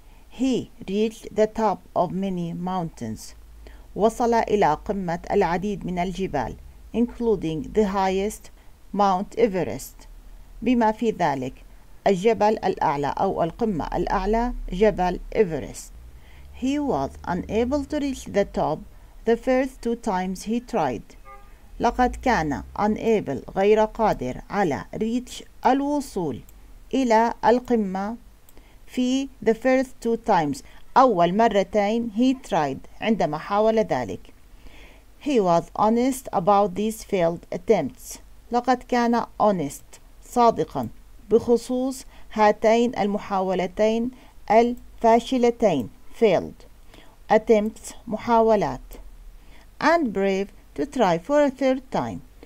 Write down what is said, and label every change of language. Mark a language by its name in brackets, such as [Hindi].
[English] He reached the top of many mountains. [Arabic] وصل إلى قمة العديد من الجبال, [English] including the highest, Mount Everest. [Arabic] بما في ذلك الجبل الأعلى أو القمة الأعلى, جبل إيفرست. [English] He was unable to reach the top the first two times he tried. [Arabic] لقد كان unable غير قادر على reach الوصول إلى القمة في [English] the first two times [Arabic] أول مرتين [English] he tried [Arabic] عندما حاول ذلك. [English] He was honest about these failed attempts. [Arabic] لقد كان [English] honest [Arabic] صادقا بخصوص هاتين المحاولتين الفاشلتين [English] failed attempts محاولات and brave to try for a third time.